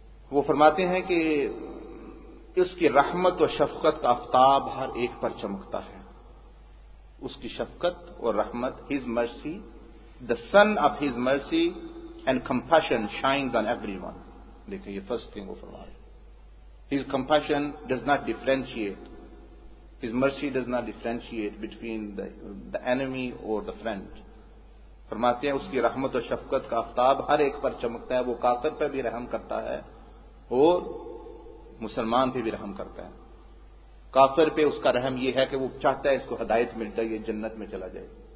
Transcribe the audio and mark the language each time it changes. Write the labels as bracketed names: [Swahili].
[Urdu] وہ فرماتے ہیں کہ اس کی رحمت و شفقت کا آفتاب ہر ایک پر چمکتا ہے. اس کی شفقت اور رحمت, [English] his mercy, the sun of his mercy and compassion shines on everyone. [Urdu] دیکھیں یہ first thing وہ فرما رہے ہیں. [English] His compassion does not differentiate. His mercy does not differentiate between the enemy or the friend. [Urdu] فرماتے ہیں اس کی رحمت و شفقت کا آفتاب ہر ایک پر چمکتا ہے. وہ کافر پر بھی رحم کرتا ہے اور مسلمان پہ بھی رحم کرتا ہے. کافر پہ اس کا رحم یہ ہے کہ وہ چاہتا ہے اس کو ہدایت مل جائے, یہ جنت میں چلا جائے.